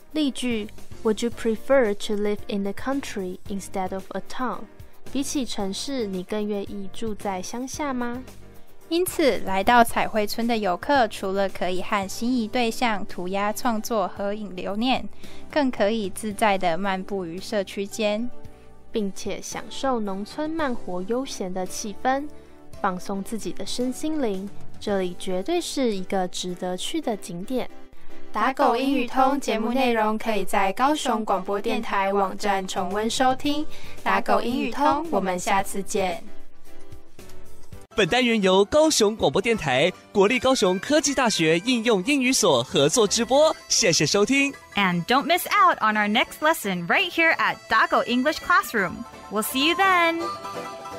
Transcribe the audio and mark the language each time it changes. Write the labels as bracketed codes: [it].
[en] 例句： Would you prefer to live in the country instead of a town? [zh] 比起城市，你更愿意住在乡下吗？因此，来到彩绘村的游客除了可以和心仪对象涂鸦创作、合影留念，更可以自在地漫步于社区间，并且享受农村慢活悠闲的气氛，放松自己的身心灵。这里绝对是一个值得去的景点。打狗英语通节目内容可以在高雄广播电台网站重温收听。打狗英语通，我们下次见。本单元由高雄广播电台、国立高雄科技大学应用英语所合作直播。谢谢收听。 [en] And don't miss out on our next lesson right here at [zh] 打狗 [en] English Classroom. We'll see you then.